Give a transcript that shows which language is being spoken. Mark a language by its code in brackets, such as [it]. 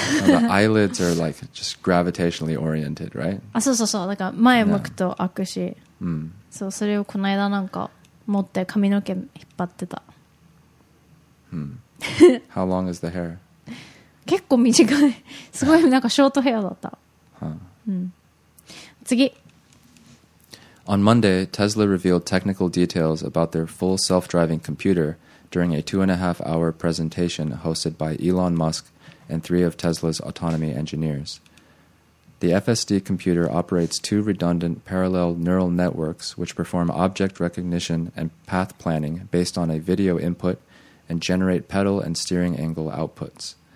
[en] The eyelids are like just gravitationally oriented, right? [ja] あ、そうそうそう。なんか前向くと開くし。うん。そう、それをこの間なんか持って髪の毛引っ張ってた。 [en] うん。How long is the hair? [ja] 結構短い。すごいなんかショートヘアだった。 Huh. うん。次。 [en] On Monday, Tesla revealed technical details about their full self-driving computer during a 2.5-hour presentation hosted by Elon Musk. And three of Tesla's autonomy engineers. The FSD computer operates two redundant parallel neural networks which perform object recognition and path planning based on a video input and generate pedal and steering angle outputs.